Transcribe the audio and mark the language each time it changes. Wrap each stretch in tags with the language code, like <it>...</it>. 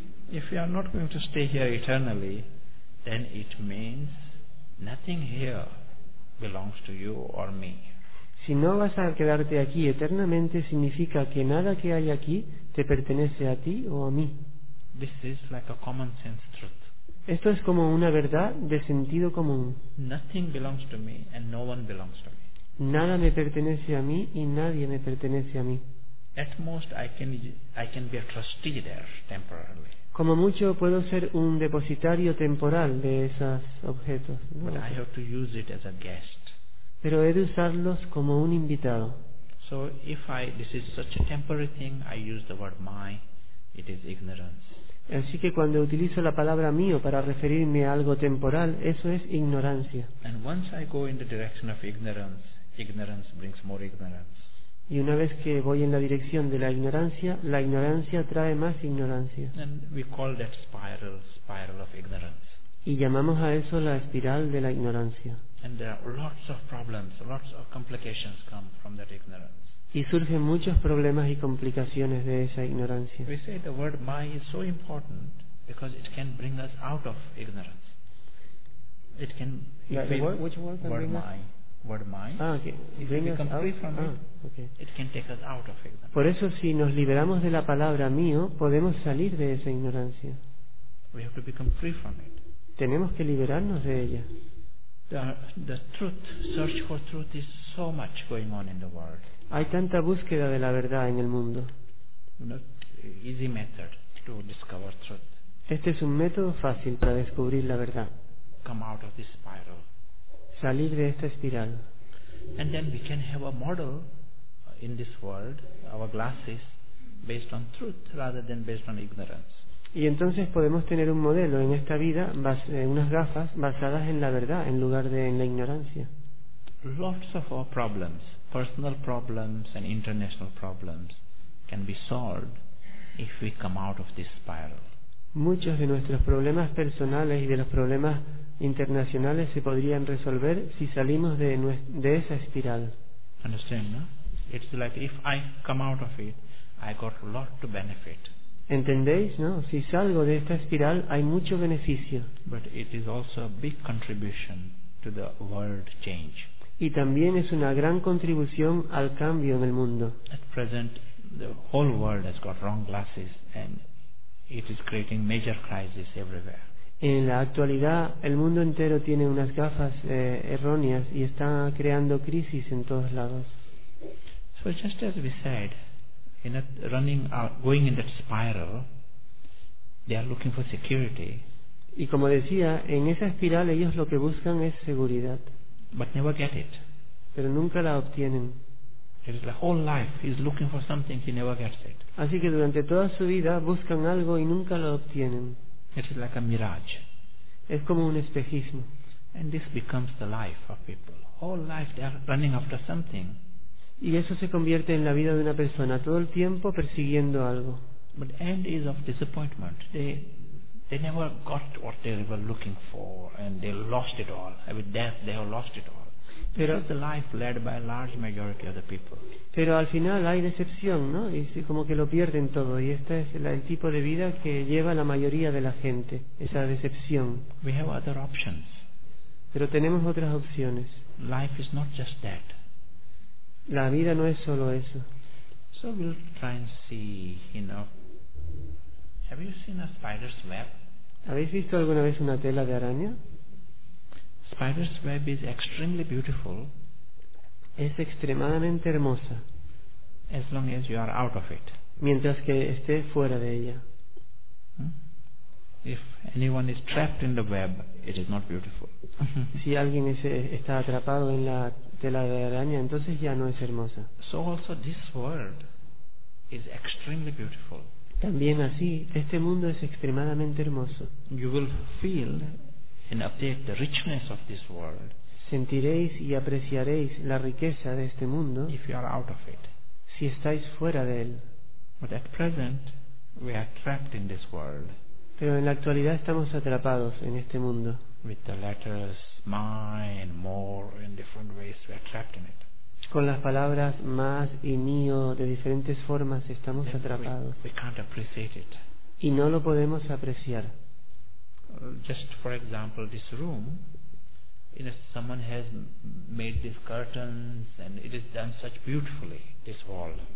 <en>If we are not going to stay here eternally, then it means nothing here belongs to you or me.</en> <es>Si no vas a quedarte aquí eternamente, significa que nada que hay aquí te pertenece a ti o a mí.</es> <en>This is like a common sense truth.</en> <es>Esto es como una verdad de sentido común.</es> <en>Nothing belongs to me and no one belongs to me.</en> <es>Nada me pertenece a mí y nadie me pertenece a mí.</es> <en>At most I can be a trustee there temporarily.</en> <es>Como mucho puedo ser un depositario temporal de esos objetos, ¿no?</es> <en>But I have to use it as a guest.</en> <es>Pero he de usarlos como un invitado.</es> <en>So if I, this is such a temporary thing, I use the word my, it is ignorance.</en> <es>Así que cuando utilizo la palabra mío para referirme a algo temporal, eso es ignorancia.</es> <en>And once I go in the direction of ignorance, ignorance brings more ignorance.</en> <es>Y una vez que voy en la dirección de la ignorancia trae más ignorancia.</es> <en>And we call that spiral of ignorance.</en> <es>Y llamamos a eso la espiral de la ignorancia.</es> <en>And there are lots of problems, lots of complications come from that ignorance.</en> <es>Y surgen muchos problemas y complicaciones de esa ignorancia.</es> <en>We say the word my is so important because it can bring us out of ignorance. It can. Yeah, which word? Word my. Ah, okay. If bring we become us free out, from ah, it, okay. It can take us out of ignorance.</en> <es>Por eso, si nos liberamos de la palabra mío, podemos salir de esa ignorancia.</es> <en>We have to become free from it.</en> <es>Tenemos que liberarnos de ella.</es> <en>The truth, search for truth, is so much going on in the world.</en> <es>Hay tanta búsqueda de la verdad en el mundo.</es> <en>Easy method to discover truth.</en> <es>Este es un método fácil para descubrir la verdad.</es> <en>Come out of this spiral.</en> <es>Salir de esta espiral.</es> <en>And then we can have a model in this world, our glasses, based on truth rather than based on ignorance.</en> <es>Y entonces podemos tener un modelo en esta vida, unas gafas basadas en la verdad en lugar de en la ignorancia.</es> <en>Lots of our problems, personal problems and international problems, can be solved if we come out of this spiral.</en> <es>Muchos de nuestros problemas personales y de los problemas internacionales se podrían resolver si salimos de esa espiral.</es> <en>Understand, no? It's like if I come out of it, I got a lot to benefit.</en> <es>¿Entendéis, no? Si salgo de esta espiral, hay mucho beneficio.</es> <en>But it is also a big contribution to the world change.</en> <es>Y también es una gran contribución al cambio en el mundo.</es> <en>At present, the whole world has got wrong glasses and it is creating major crises everywhere.</en> <es>En la actualidad, el mundo entero tiene unas gafas erróneas y está creando crisis en todos lados.</es> <en>So just as we said, in a running out, going in that spiral, they are looking for security.</en> <es>Y como decía, en esa espiral ellos lo que buscan es seguridad.</es> <en>But never get it.</en> <es>Pero nunca la obtienen.</es> <en>It is like whole life he's looking for something, he never gets it.</en> <es>Así que durante toda su vida buscan algo y nunca lo obtienen.</es> <en>It is like a mirage.</en> <es>Es como un espejismo.</es> <en>And this becomes the life of people. Whole life they are running after something.</en> <es>Y eso se convierte en la vida de una persona, todo el tiempo persiguiendo algo.</es> <en>But the end is of disappointment. They never got what they were looking for, and they lost it all. With death, they have lost it all.</en> <es>Pero,</es> <en>this is the life led by a large majority of the people.</en> <es>Pero al final hay decepción, ¿no? Y es como que lo pierden todo. Y este es el tipo de vida que lleva la mayoría de la gente, esa decepción.</es> <en>We have other options.</en> <es>Pero tenemos otras opciones.</es> <en>Life is not just that.</en> <es>La vida no es solo eso.</es> <en>So we'll try and see, you know. Have you seen a spider's web?</en> <es>¿Habéis visto alguna vez una tela de araña?</es> <en>Spider's web is extremely beautiful.</en> <es>Es extremadamente hermosa.</es> <en>As long as you are out of it.</en> <es>Mientras que esté fuera de ella.</es> <en>If anyone is trapped in the web, it is not beautiful.</en> <es>Si alguien está atrapado en la tela de araña, entonces ya no es hermosa.</es> <en>So also this world is extremely beautiful.</en> <es>También así, este mundo es extremadamente hermoso.</es> <en>You will feel and appreciate the richness of this world.</en> <es>Sentiréis y apreciaréis la riqueza de este mundo.</es> <en>If you are out of it.</en> <es>Si estáis fuera de él.</es> <en>But at present, we are trapped in this world.</en> <es>Pero en la actualidad estamos atrapados en este mundo.</es> <en>With the letters my and more in different ways, we are trapped in it.</en> <es>Con las palabras más y mío de diferentes formas estamos</es> <en>then</en> <es>atrapados.</es> <en>We can't appreciate it.</en> <es>Y no lo podemos apreciar.</es> <en>just for example, this room, you know, someone has made these curtains and it is done such beautifully, this wall.</en>